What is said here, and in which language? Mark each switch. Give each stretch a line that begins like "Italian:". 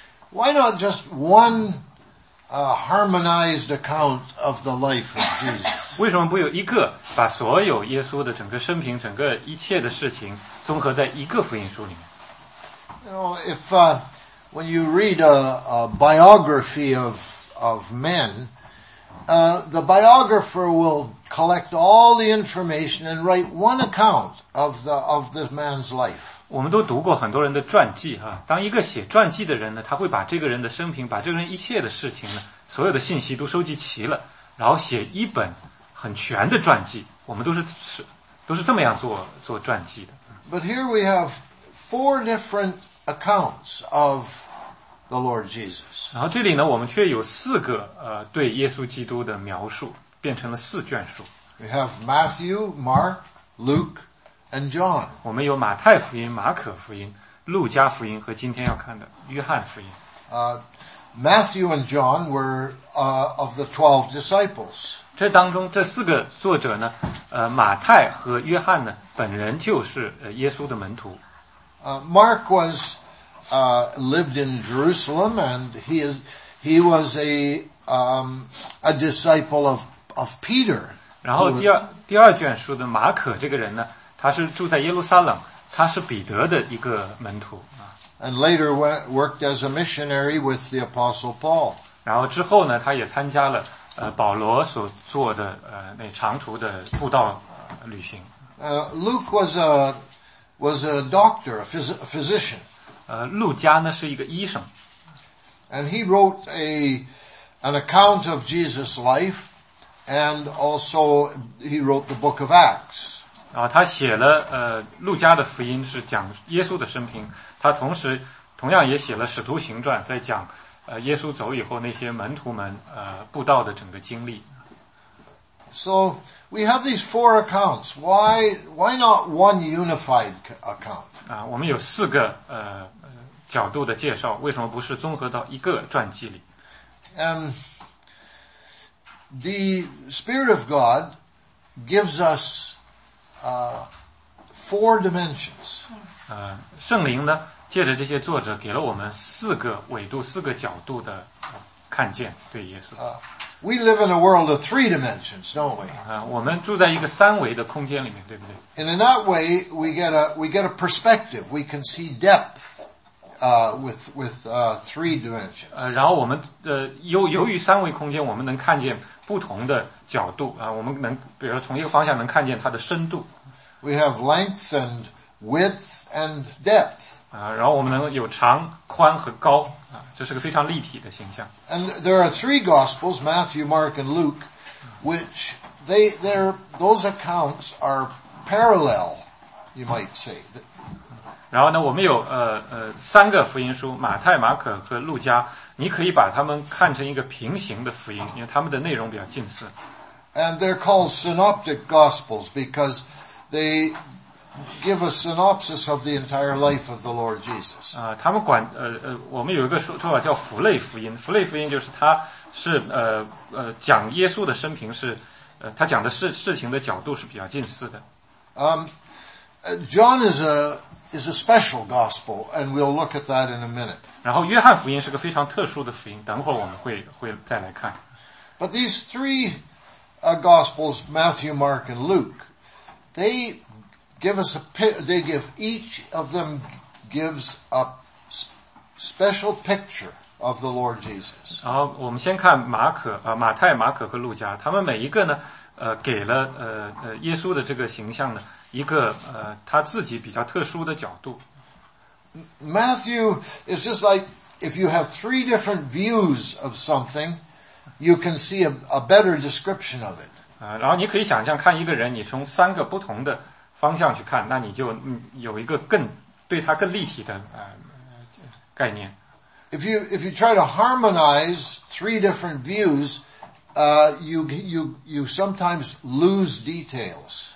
English: Why not just one harmonized account of the life of Jesus?
Chinese: 为什么不有一个把所有耶稣的整个生平、整个一切的事情综合在一个福音书里面？
English: When you read a biography of men, the biographer will collect all the information and write one account of the man's life.
Chinese: 我们都读过很多人的传记啊。当一个写传记的人呢，他会把这个人的生平，把这个人一切的事情呢，所有的信息都收集齐了，然后写一本很全的传记。我们都是这么样做传记的。
English: But here we have four different accounts of the Lord Jesus.
Chinese: 然后这里呢，我们却有四个对耶稣基督的描述，变成了四卷书。
English: We have Matthew, Mark, Luke, and John.
Chinese: 我们有马太福音、马可福音、路加福音和今天要看的约翰福音。
English: Matthew and John were of the 12 disciples.
Chinese: 这当中这四个作者呢，马太和约翰呢，本人就是耶稣的门徒。
English: Mark was lived in Jerusalem, and he was a disciple of Peter.
Chinese: 然后第二卷书的马可这个人呢，他是住在耶路撒冷，他是彼得的一个门徒。
English: And later worked as a missionary with the Apostle Paul.
Chinese: 然后之后呢，他也参加了保罗所做的那长途的布道旅行。
English: Luke was a doctor, a physician.
Chinese: 路加呢是一个医生。
English: And he wrote an account of Jesus' life, and also he wrote the book of Acts.
Chinese: 啊，他写了路加的福音是讲耶稣的生平，他同样也写了使徒行传，在讲耶稣走以后那些门徒们布道的整个经历。
English: So we have these four accounts. Why not one unified account?
Chinese: 我们有四个角度的介绍，为什么不是综合到一个传记里？
English: The Spirit of God gives us four dimensions.
Chinese: 圣灵呢，借着这些作者给了我们四个维度、四个角度的看见对耶稣。
English: We live in a world of three dimensions, don't we?
Chinese: 我们住在一个三维的空间里面，对不对？
English: And in that way, we get a perspective. We can see depth, with three dimensions.
Chinese: 然后我们由于三维空间，我们能看见不同的角度啊。我们能，比如说从一个方向能看见它的深度。
English: We have length and width and depth.
Chinese: 然后我们能有长、宽和高。这是个非常立体的形象。
English: And there are three Gospels, Matthew, Mark, and Luke, which those accounts are parallel, you might say.
Chinese: 然后呢，我们有三个福音书，马太、马可和路加，你可以把它们看成一个平行的福音，因为它们的内容比较近似。
English: And they're called synoptic Gospels because they give a synopsis of the entire life of the Lord Jesus.
Chinese: 他们管我们有一个说法叫福类福音。福类福音就是它是讲耶稣的生平是他讲的事情的角度是比较近似的。
English: John is a special gospel, and we'll look at that in a minute.
Chinese: 然后约翰福音是个非常特殊的福音，等会儿我们会再来看。
English: But these three gospels, Matthew, Mark, and Luke, they give each of them a special picture of the Lord Jesus.
Chinese: 然后我们先看马可马太、马可和路加，他们每一个呢，给了耶稣的这个形象呢一个他自己比较特殊的角度。
English: Matthew is just like if you have three different views of something, you can see a better description of it.
Chinese: 然后你可以想象看一个人，你从三个不同的方向去看，那你就有一个更对它更立体的概念。
English: If you try to harmonize three different views, you sometimes lose details.